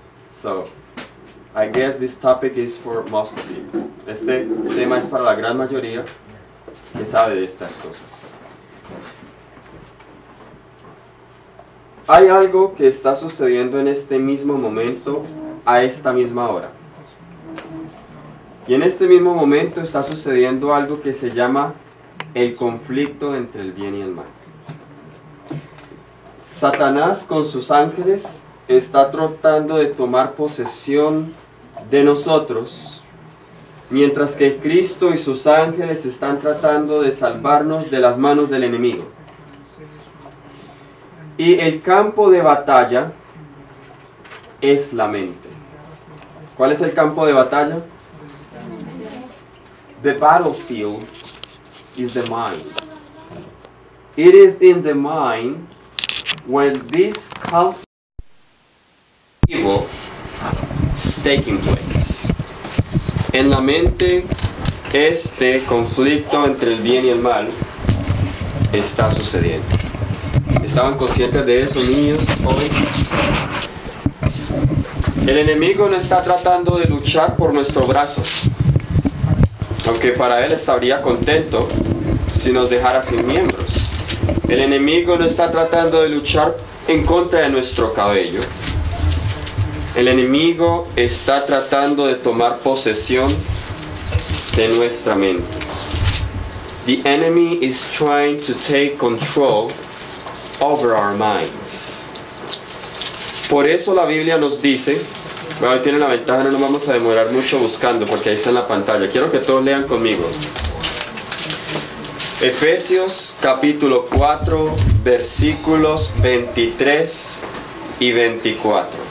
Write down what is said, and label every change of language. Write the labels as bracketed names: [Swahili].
[English] So, I guess this topic is for most of you. [Spanish] Este tema es para la gran mayoría que sabe de estas cosas. Hay algo que está sucediendo en este mismo momento, a esta misma hora. Y en este mismo momento está sucediendo algo que se llama el conflicto entre el bien y el mal. Satanás con sus ángeles está tratando de tomar posesión de nosotros, mientras que Cristo y sus ángeles están tratando de salvarnos de las manos del enemigo. Y el campo de batalla es la mente. ¿Cuál es el campo de batalla? [English] The battlefield is the mind. It is in the mind when this conflict is taking place. [Spanish] En la mente, este conflicto entre el bien y el mal está sucediendo. ¿Estaban conscientes de eso, niños, jóvenes? El enemigo no está tratando de luchar por nuestro brazo, aunque para él estaría contento si nos dejara sin miembros. El enemigo no está tratando de luchar en contra de nuestro cabello. El enemigo está tratando de tomar posesión de nuestra mente. [English] The enemy is trying to take control over our minds. [Spanish] Por eso la Biblia nos dice, bueno, tiene la ventaja, no nos vamos a demorar mucho buscando porque ahí está en la pantalla. Quiero que todos lean conmigo. Efesios capítulo 4, versículos 23 y 24.